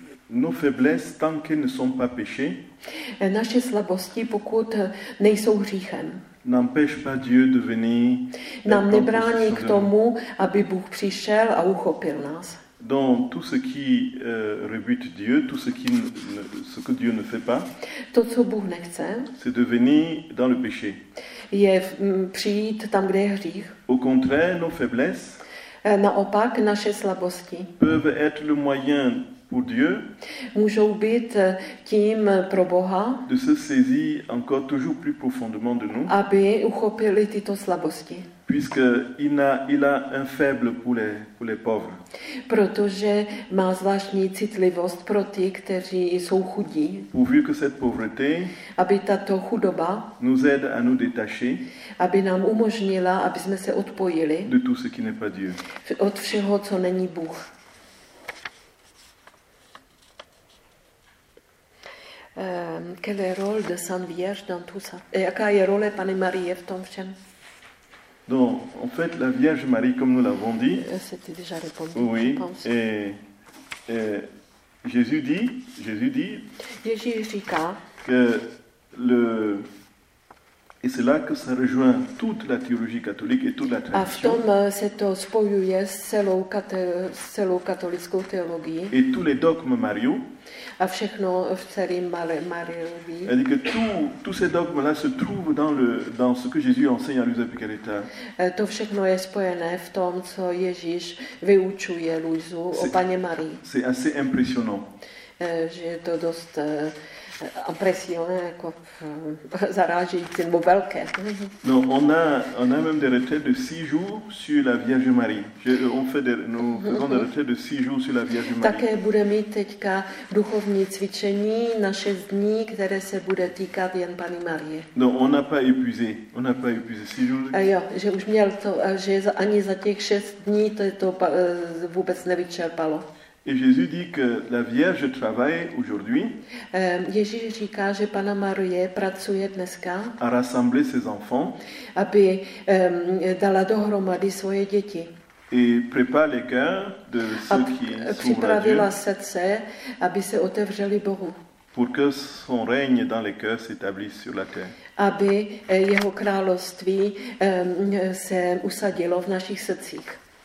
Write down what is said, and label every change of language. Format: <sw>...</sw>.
<fr>Nos faiblesses tant qu'elles ne sont pas péchés.</fr> <cs>Naše slabosti, pokud nejsou hříchem.</cs> <fr>N'empêche pas Dieu de venir.</fr> <cs>Nám nebrání k tomu, aby Bůh přišel a uchopil nás.</cs> <fr>Donc tout ce qui rebute Dieu, tout ce qui ce que Dieu ne fait pas.</fr> <cs>To, co Bůh nechce.</cs> <fr>C'est de venir dans le péché.</fr> <cs>Je přijít tam, kde je hřích.</cs> <fr>Au contraire, nos faiblesses.</fr> <cs>Naopak naše slabosti.</cs> <fr>Peuvent être le moyen pour Dieu.</fr> <cs>Můžou být tím pro Boha.</cs> <fr>De se saisir encore toujours plus profondément de nous.</fr> <cs>Aby uchopili tyto slabosti.</cs> <fr>Puisque il a un faible pour les pauvres.</fr> <cs>Protože má zvláštní citlivost pro ty, kteří jsou chudí.</cs> <fr>Pourvu que cette pauvreté.</fr> <cs>Aby tato chudoba.</cs> <fr>Nous aide à nous détacher.</fr> <cs>Aby nám umožnila, aby jsme se odpojili.</cs> <fr>De tout ce qui n'est pas Dieu.</fr> <cs>Od všeho, co není Bůh.</cs> <fr>Quel est rôle de Sainte Vierge dans tout ça?</fr> <cs>Jaká je role Panny Marie v tom všem?</cs> <fr>Donc, en fait, la Vierge Marie, comme nous l'avons dit, c'était déjà répondu, oui, je pense. Et Jésus dit,</fr> <cs>Ježíš říká,</cs> <fr>que le et c'est là que ça rejoint toute la théologie catholique et toute la tradition.</fr> <cs>A v tom se to spojuje s celou katolickou teologií.</cs> <fr>Et tous les dogmes mariaux.</fr> <cs>A všechno v celém Mariovi.</cs> <fr>Elle dit que tous ces dogmes là se trouvent dans ce que Jésus enseigne à Luisa Picareta.</fr> <cs>To všechno je spojené v tom, co Ježíš vyučuje Luizu o Panně Marii.</cs> <fr>C'est assez impressionnant.</fr> <cs>Je to dost impressionné, jako zarážející, nebo velké.</cs> <fr>Non, on a même des retraites de 6 jours sur la Vierge Marie. Nous faisons des retraites de 6 jours sur la Vierge Marie.</fr> <cs>Také bude mít teďka duchovní cvičení na 6 dní, které se bude týkat jen Panny Marie.</cs> <fr>Non, on n'a pas épuisé 6 jours.</fr> <cs>A jo, že už měl to, že ani za těch 6 dní to vůbec nevyčerpalo.</cs> <fr>Et Jésus dit que la Vierge travaille aujourd'hui.</fr> <cs>Ježíš říká, že Panna Marie pracuje dneska.</cs> <fr>À rassembler ses enfants.</fr> <cs>Aby dala dohromady svoje děti.</cs> <fr>Et prépare les cœurs de ceux qui s'ouvrent à Dieu.</fr> <cs>Připravila srdce, aby se otevřeli Bohu.</cs> <fr>Pour que son règne dans les cœurs s'établisse sur la terre.</fr> <cs>Aby jeho království se usadilo v našich srdcích.</cs>